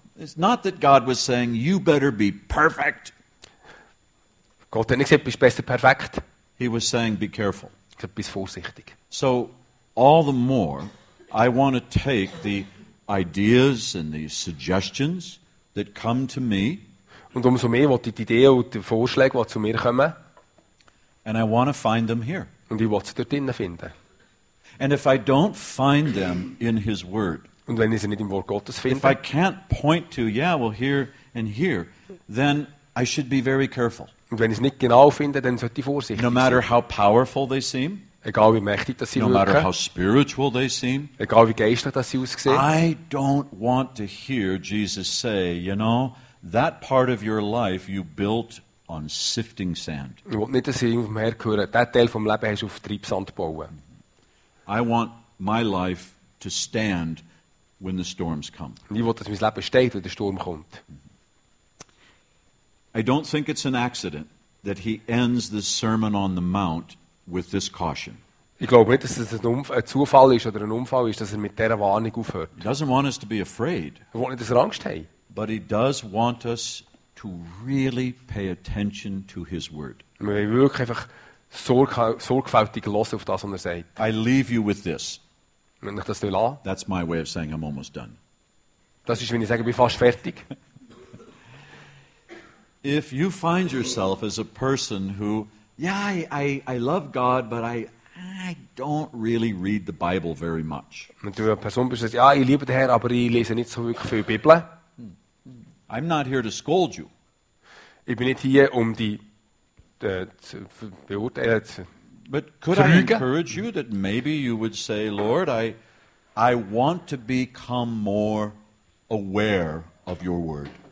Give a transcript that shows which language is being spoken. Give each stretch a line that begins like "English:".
English: is not that God was saying, you better be perfect.
German: Gott hat nicht gesagt, bist besser perfekt.
English: He was saying, be careful.
German: Bis vorsichtig.
English: So, all the more, I want to take the ideas and the suggestions that come to me.
German: Und umso mehr will ich die Ideen und die Vorschläge, die zu mir kommen.
English: And I want to find them here.
German: Und ich will sie dort drinnen finden.
English: And if I don't find them in his word,
German: und wenn ich sie nicht im Wort Gottes finde,
English: if I can't point to, yeah, well, here and here, then I should be very careful.
German: Und wenn ich es nicht genau finde, dann sollte ich vorsichtig sein.
English: No matter how powerful they seem,
German: egal wie mächtig das sie wirken,
English: no matter how spiritual they seem,
German: egal wie geistlich das sie aussehen,
English: I don't want to hear Jesus say, you know, that part of your life you built on sifting sand.
German: Ich will nicht, dass sie vom Herr hören, der Teil vom Leben hast du auf Treibsand bauen.
English: I want my life to stand when the storms come.
German: Ich will, dass mein Leben steht, wenn der Sturm kommt.
English: I don't think it's an accident that he ends the Sermon on the Mount with this caution.
German: Ich glaube nicht, dass es ein Zufall ist oder ein Unfall ist, dass er mit dieser Warnung aufhört.
English: He doesn't want us to be afraid.
German: Er will nicht, dass wir Angst haben.
English: But he does want us to really pay attention to his word.
German: Wir wollen wirklich einfach sorgfältig hören auf das, was er sagt.
English: I leave you with this.
German: Wenn ich das will, ah.
English: That's my way of saying I'm almost done.
German: Das ist, wenn ich sage, ich bin fast fertig.
English: If you find yourself as a person who, yeah, I love God, but I don't really read the Bible very much.
German: Wenn du eine Person bist, ja, ich liebe den Herrn, aber ich lese nicht so wirklich viel Bibel.
English: I'm not here to scold you.
German: Ich bin nicht hier, um die zu beurteilen.
English: But could I encourage you that maybe you would say, Lord, I want to become more aware of your word.